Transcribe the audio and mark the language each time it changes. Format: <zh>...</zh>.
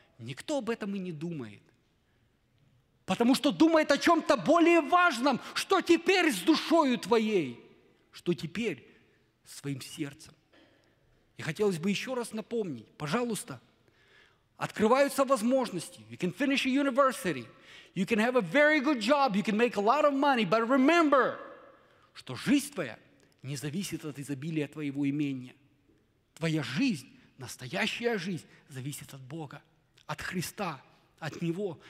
<ru>Никто об этом и не думает. Потому что думает о чем-то более важном, что теперь с душою твоей, что теперь своим сердцем. И хотелось бы еще раз напомнить, пожалуйста, открываются возможности.</ru> <en>You can finish a university. You can have a very good job. You can make a lot of money. But remember,</en> <ru>что жизнь твоя не зависит от изобилия твоего имения. Твоя жизнь, настоящая жизнь, зависит от Бога, от Христа, от Него.</ru>